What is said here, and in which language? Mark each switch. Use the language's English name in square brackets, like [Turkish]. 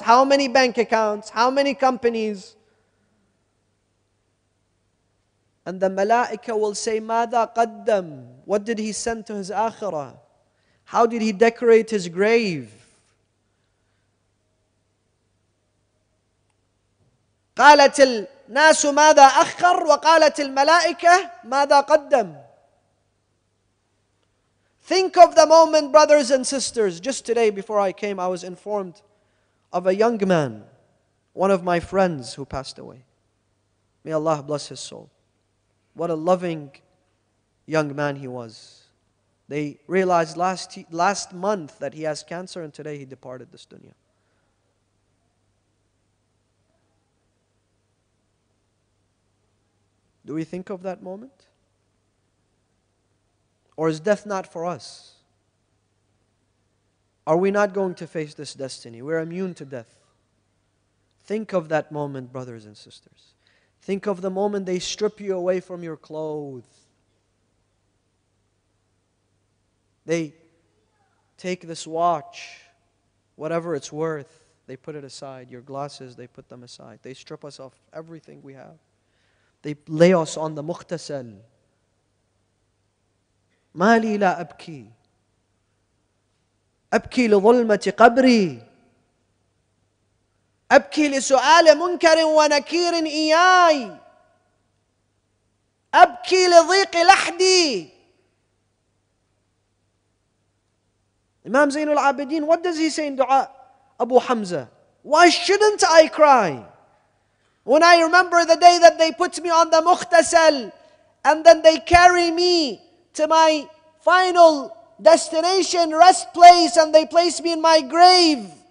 [English] How many bank accounts? How many companies? And the malaika will say, [Arabic] "Mada qaddam? [English] What did he send to his akhirah? How did he decorate his grave?" [Arabic] قالت الناس ماذا أخر وقالت الملائكة ماذا قدم. [English] Think of the moment, brothers and sisters. Just today, before I came, I was informed of a young man, one of my friends, who passed away. May Allah bless his soul. What a loving young man he was. They realized last month that he has cancer, and today he departed this dunya. Do we think of that moment? Or is death not for us? Are we not going to face this destiny? We're immune to death. Think of that moment, brothers and sisters. Think of the moment they strip you away from your clothes. They take this watch, whatever it's worth, they put it aside. Your glasses, they put them aside. They strip us of everything we have. They lay us on the mukhtasal. [Arabic] مَا لِي لَا أَبْكِي أَبْكِي لِظُلْمَةِ قَبْرِي أبكي لسؤال منكر ونكير إياي أبكي لضيق لحدي. [English] Imam Zain al-Abidin, what does he say in dua Abu Hamza? Why shouldn't I cry when I remember the day that they put me on the mukhtasal and then they carry me to my final destination, rest place, and they place me in my grave?